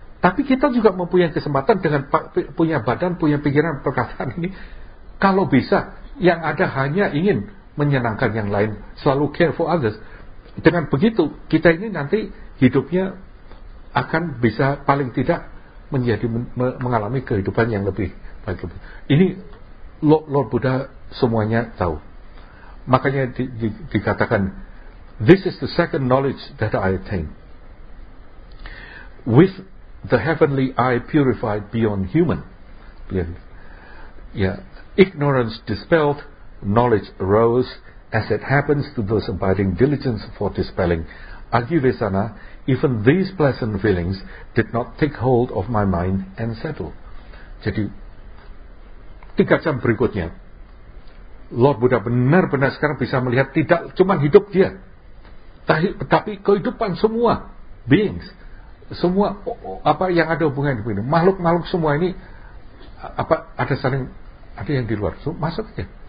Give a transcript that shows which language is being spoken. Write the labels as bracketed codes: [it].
[id] Tapi kita juga mempunyai kesempatan dengan punya badan, punya pikiran, perkataan ini, kalau bisa yang ada hanya ingin menyenangkan yang lain, selalu [en] care for others. [id] Dengan begitu, kita ini nanti hidupnya akan bisa paling tidak menjadi mengalami kehidupan yang lebih baik. Ini Lord Buddha semuanya tahu. Makanya dikatakan, [en] this is the second knowledge that I attain. With the heavenly eye purified beyond human. Beliau, Yeah, ignorance dispelled, knowledge arose, as it happens to those abiding diligence for dispelling. Agivesana, even these pleasant feelings did not take hold of my mind and settle. [id] Jadi, 3 jam berikutnya, Lord Buddha benar-benar sekarang bisa melihat tidak cuma hidup dia, tapi kehidupan semua beings, semua apa yang ada hubungan dengan makhluk-makhluk semua ini, apa ada saling, ada yang di luar, so, masuknya.